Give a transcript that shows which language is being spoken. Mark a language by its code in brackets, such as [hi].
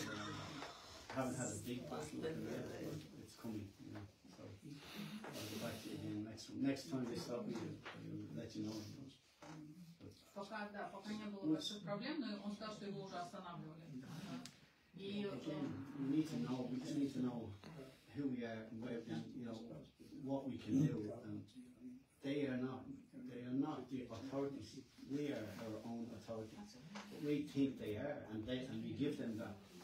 [en] I haven't had a big battle in there, but it's coming. You know, so I'll go back to you again next one. Next time they stop me, I'll let you know. [ru] Пока не было больших проблем, но он сказал, что его уже останавливали. [en] We need to know. We just need to know who we are, and where, and, you know, what we can do. And they are not. They are not the authorities. We are our own authority. We think they are, and they, and we give them that.